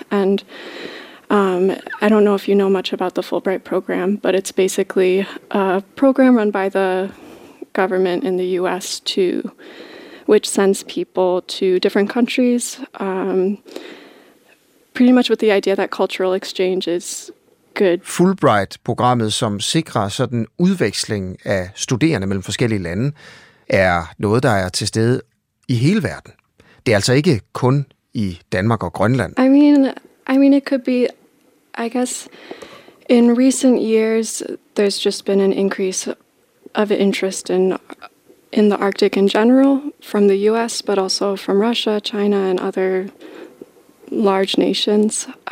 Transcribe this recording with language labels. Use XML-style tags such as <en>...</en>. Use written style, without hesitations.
<en>And I don't know if you know much about the Fulbright program, but it's basically a program run by the government in the U.S. to, which sends people to different countries, pretty much with the idea that cultural exchange is good.</en> <da>Fulbright-programmet, som sikrer sådan udveksling af studerende mellem forskellige lande, er noget, der er til stede i hele verden. Det er altså ikke kun i Danmark og Grønland.</da> <en>I mean, it could be, I guess, in recent years, there's just been an increase of interest in the Arctic in general, from the US, but also from Russia, China, and other large nations.</en>